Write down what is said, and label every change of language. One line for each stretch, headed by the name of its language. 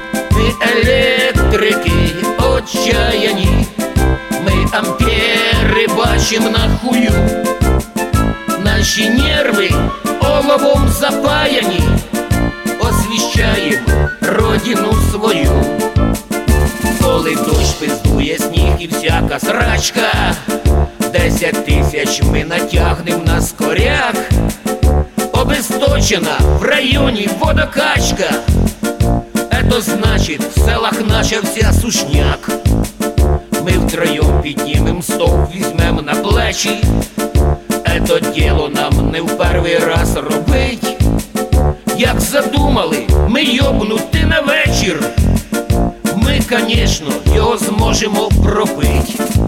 Russian: Мы электрики отчаяни, мы амперы бачим на хую. Наши нервы оловом запаяни, освещаем родину свою.
Ukrainian: Коли дощ пиздує сніг і всяка срачка, 10 000 ми натягнем на скоряк.
Russian: Обесточена в районі водокачка, это значит в селах наша вся сушняк.
Ukrainian: Ми втроем піднімем стовп, візьмем на плечі, это діло нам не в перший раз робить. Як задумали ми йобнути на вечір, ми, конечно, його зможемо пробить.